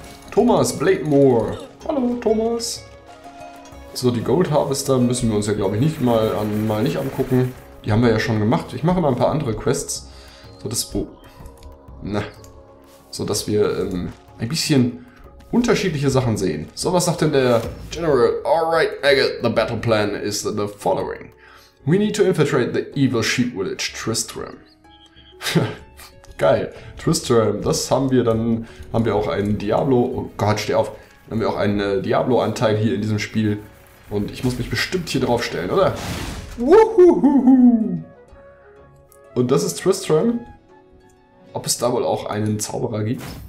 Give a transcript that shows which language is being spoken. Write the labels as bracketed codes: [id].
[de] Thomas Blademore. Hallo, Thomas. So, die Gold Harvester müssen wir uns ja, glaube ich, nicht angucken. Die haben wir ja schon gemacht. Ich mache mal ein paar andere Quests, sodass wir ein bisschen unterschiedliche Sachen sehen. So, was sagt denn der General? [en] Alright, Maggot, the battle plan is the following. We need to infiltrate the evil sheep village, Tristram. [de] Geil, Tristram, haben wir auch einen Diablo-Anteil hier in diesem Spiel. Und ich muss mich bestimmt hier drauf stellen, oder? Wuhuhuhu! Und das ist Tristram. Ob es da wohl auch einen Zauberer gibt?